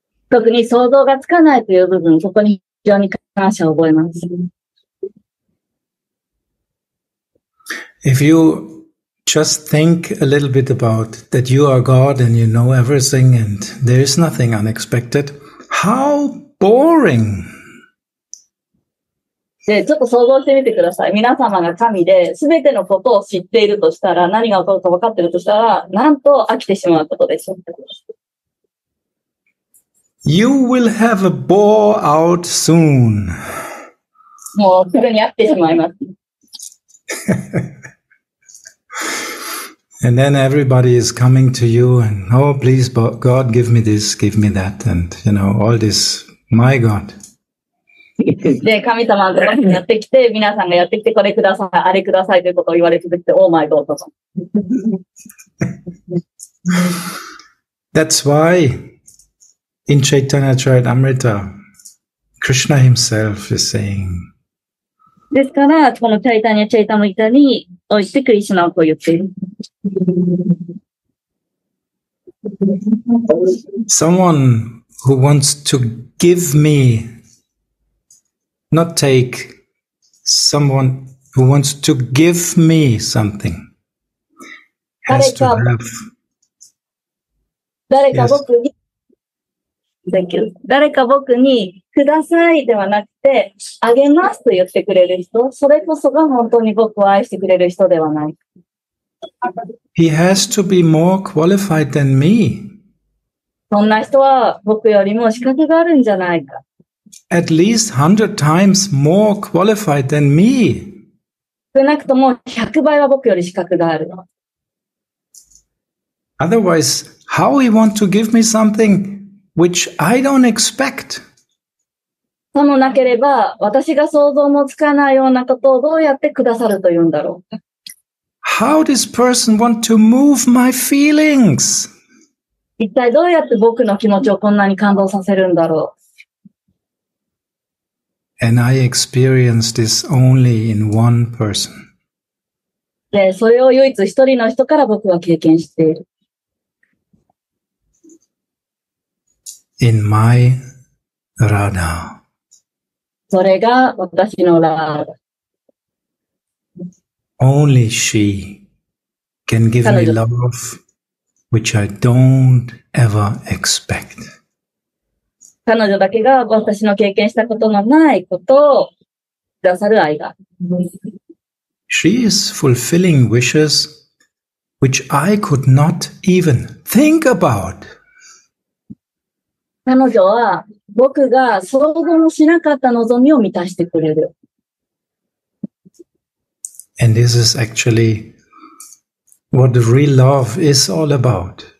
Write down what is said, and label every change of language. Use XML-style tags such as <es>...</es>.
<ja>特に想像がつかないという部分、そこに非常に感謝を覚えます。</ja> <en>If you just think a little bit about that you are God and you know everything and there is nothing unexpected, how boring!</en> <ja>でちょっと想像してみてください。皆様が神で全てのことを知っているとしたら、何が起こるか分かっているとしたら、なんと飽きてしまうことでしょう。</ja> <en>You will have a bore out soon.</en> <ja>もうすぐに飽きてしまいます。</ja> <en>And then everybody is coming to you and, oh, please, God, give me this, give me that, and, you know, all this, my God.</en> <ja>で神様がやってきて皆さんがやってきてこれくださいあれくださいということを言われ続けて</ja> <en>Oh my God That's why in Chaitanya Charitamrita Krishna himself is saying</en> <ja>ですからこのチャイタニャチャイタムリタにおいてクリシュナをこう言っている</ja> <en>Someone who wants to give meNot take someone who wants to give me something. Has to have.</en> <ja>誰か僕に、</ja> <en>Thank you.</en> <ja>誰か僕にくださいではなくて、あげますと言ってくれる人、それこそが本当に僕を愛してくれる人ではない。</ja> <en>He has to be more qualified than me.</en> <ja>そんな人は僕よりも資格があるんじゃないか。</ja> <en>At least 100 times more qualified than me.</en> <ja>少なくとも100倍は僕より資格があるの。</ja> <en>Otherwise, how he want to give me something which I don't expect?</en> <ja>そのなければ、私が想像もつかないようなことをどうやってくださると言うんだろう。</ja> <en>How does person want to move my feelings?</en> <ja>一体どうやって僕の気持ちをこんなに感動させるんだろう。</ja> <en>And I experience this only in one person.</en> <ja>で、それを唯一一人の人から僕は経験している。</ja> <en>In my Radha.</en> <ja>それが私のラーダ。</ja> <en>Only she can give me love which I don't ever expect.</en> <ja>彼女だけが私の経験したことのないことを出さる愛が。</ja> <en>She is fulfilling wishes which I could not even think about.</en> <ja>彼女は僕が想像もしなかった望みを満たしてくれる。</ja> <en>And this is actually what the real love is all about.</en>